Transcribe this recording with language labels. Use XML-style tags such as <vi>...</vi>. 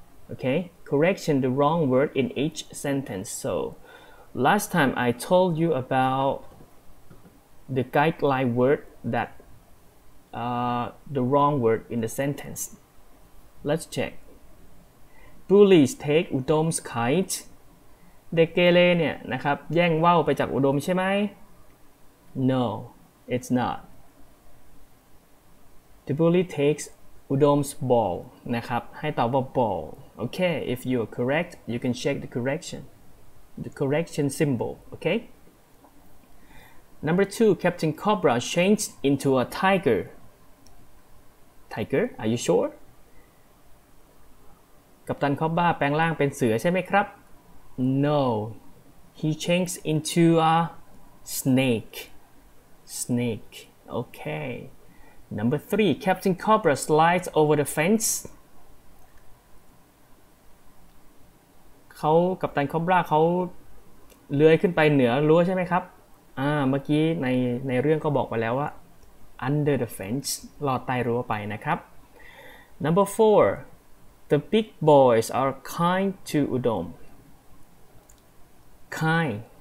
<en>Okay, correction the wrong word in each sentence. So, last time I told you about the guideline word that the wrong word in the sentence. Let's check. Bullies take Udom's kite.</en> <th>เด็กเกเรเนี่ยนะครับแย่งว่าวไปจากอุดมใช่ไหม</th> <en>No, it's not. The bully takes Udom's ball.</en> <th>นะครับให้ตอบว่า</th> <en>ball. Okay, if you are correct, you can check the correction symbol, okay? Number two, Captain Cobra changed into a tiger. Tiger, are you sure?</en> <th>กัปตันคอบราแปลงร่างเป็นเสือใช่ไหมครับ?</th> <en>No, he changed into a snake. Snake, okay. Number three, Captain Cobra slides over the fence.</en> <th>เขากับตันคอบราเขาเลื้อยขึ้นไปเหนือรั้วใช่ไหมครับเมื่อกี้ในเรื่องก็บอกไปแล้วว่า</th> <en>under the fence</en> <th>หลอดใต้รั้วไปนะครับ</th> <en>number 4 the big boys are kind to Udom kind</en>